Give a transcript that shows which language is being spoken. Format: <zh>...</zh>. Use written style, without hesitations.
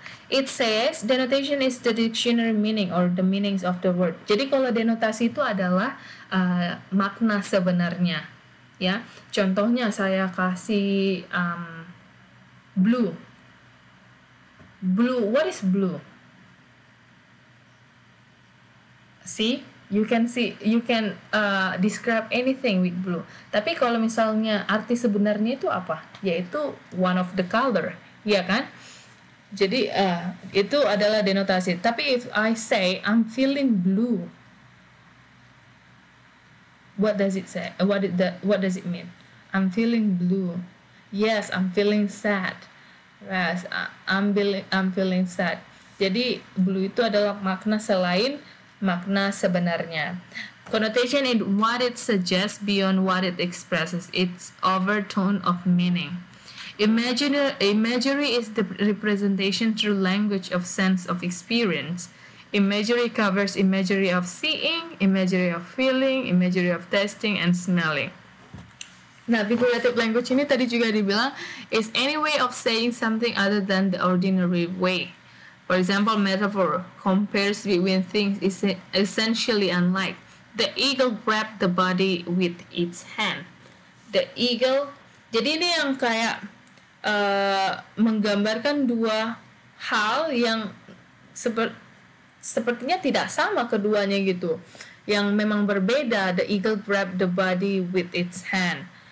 <en>It says, denotation is the dictionary meaning or the meanings of the word.</en> <id>Jadi kalau denotasi itu adalah makna sebenarnya. Ya, contohnya saya kasih blue.</id> <en>Blue, what is blue? See, you can see, you can describe anything with blue.</en> <id>Tapi kalau misalnya arti sebenarnya itu apa? Yaitu</id> <en>one of the color,</en> <id>ya kan? Jadi itu adalah denotasi. Tapi</id> <en>if I say I'm feeling blue, what does it say? What does it mean? I'm feeling blue. Yes, I'm feeling sad. Yes, I'm feeling sad.</en> <id>Jadi blue itu adalah makna selain makna sebenarnya.</id> <en>Connotation is what it suggests beyond what it expresses. It's overtone of meaning. Imagery is the representation through language of sense of experience. Imagery covers imagery of seeing, imagery of feeling, imagery of tasting, and smelling.</en> <id>Nah,</id> <en>figurative language</en> <id>ini tadi juga dibilang,</id> <en>is any way of saying something other than the ordinary way. For example, metaphor compares between things essentially unlike. The eagle grabbed the body with its hand. The eagle,</en> <id>jadi ini yang kayak menggambarkan dua hal yang sepertinya tidak sama keduanya gitu. Yang memang berbeda,</id> <en>the eagle grabbed the body with its hand.</en>